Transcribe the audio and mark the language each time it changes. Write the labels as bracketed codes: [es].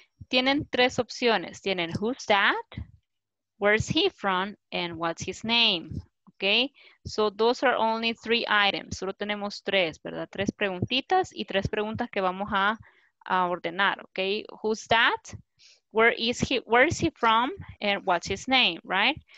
[es] Tienen tres opciones. Tienen [en] who's that, where's he from, and what's his name. Okay, so those are only three items. [es] Solo tenemos tres, ¿verdad? Tres preguntitas y tres preguntas que vamos a ordenar. [en] Okay, who's that, where is he from, and what's his name, right?